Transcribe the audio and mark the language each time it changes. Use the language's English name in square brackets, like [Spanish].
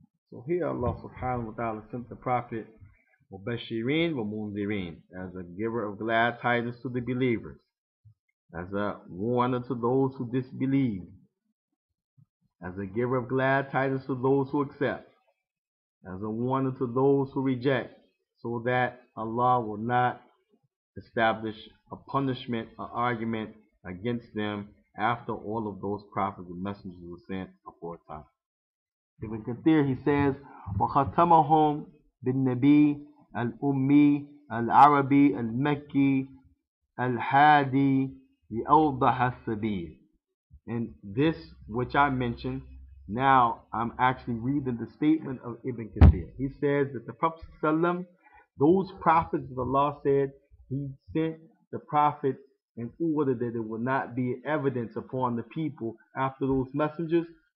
[English] So here Allah subhanahu wa ta'ala sent the Prophet, Mubashirin wa Munzirin, as a giver of glad tidings to the believers, as a warner to those who disbelieve, as a giver of glad tidings to those who accept, as a warner to those who reject, so that Allah will not establish a punishment, an argument against them after all of those prophets and messengers were sent aforetime. Ibn Kathir, he says, [Arabic] وَخَتَمَهُمْ بِالنَّبِي الْأُمِّي الْعَرَبِي الْمَكِّي الْحَادِي لِأَوْضَحَ السَّبِيلِ. [English] And this, which I mentioned, now I'm actually reading the statement of Ibn Kathir. He says that the Prophet ﷺ, those prophets of Allah said, he sent the prophet in order that it would not be evidence upon the people after those messengers.